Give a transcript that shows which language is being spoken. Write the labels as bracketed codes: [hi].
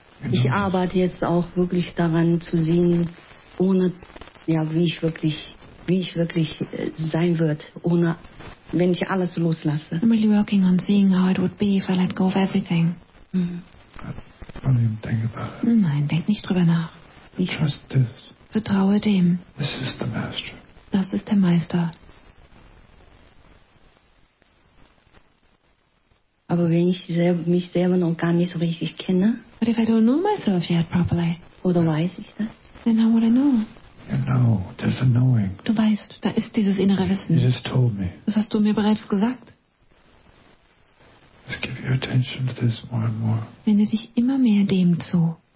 [de] Ich arbeite jetzt auch wirklich daran zu sehen, ohne, ja, wie ich wirklich sein wird, ohne, wenn ich alles loslasse. [en] I'm really working on seeing how it would be if I let go of everything. Don't even think about it. [de] Nein, denk nicht drüber nach. [en] Ich trust this. [de] Vertraue dem. [en] This is the master. [de] Das ist der Meister. Aber wenn ich mich selber noch gar nicht so richtig kenne, [en] but if I don't know myself yet properly, [de] oder weiß ich das? [en] Then how would I know? You know, there's a knowing. [de] Du weißt, da ist dieses innere Wissen. [en] You just told me. [de] Das hast du mir bereits gesagt. [en] Just give your attention to this more and more. [de] Wende dich immer mehr dem zu.